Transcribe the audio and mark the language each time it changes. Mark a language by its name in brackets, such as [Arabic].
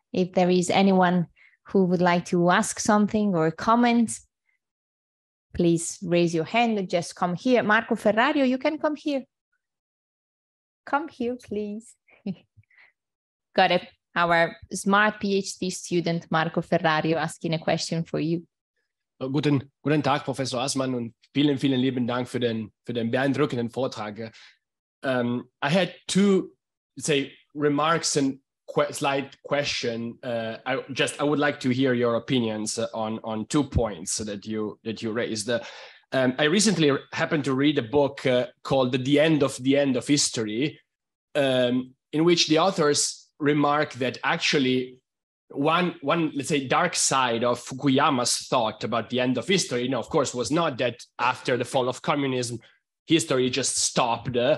[English] if there is anyone who would like to ask something or comment, please raise your hand and just come here. Marco Ferrario, you can come here. Come here, please. Got it. Our smart PhD student, Marco Ferrario, asking a question for you. [German] Guten Tag, Professor Assmann, und vielen, vielen lieben Dank für den beeindruckenden Vortrag. [English] I had two, say, remarks and slight question. I would like to hear your opinions on two points that you raised. I recently happened to read a book called The End of History, in which the authors remark that actually one let's say dark side of Fukuyama's thought about the end of history, you know, of course, was not that after the fall of communism history just stopped,